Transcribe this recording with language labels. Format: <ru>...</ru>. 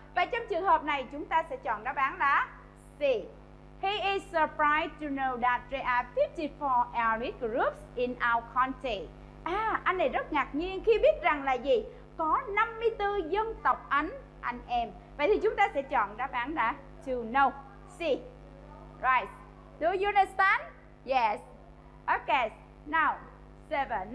<vi>Và trong trường hợp này chúng ta sẽ chọn đáp án là C.</vi> <en>He is surprised to know that there are 54 ethnic groups in our country.</en> <vi>À, anh này rất ngạc nhiên khi biết rằng là gì? Có 54 dân tộc anh em. Vậy thì chúng ta sẽ chọn đáp án là to know.</vi> <en>C. Right. Do you understand? Yes. Okay. Now, 7.</en>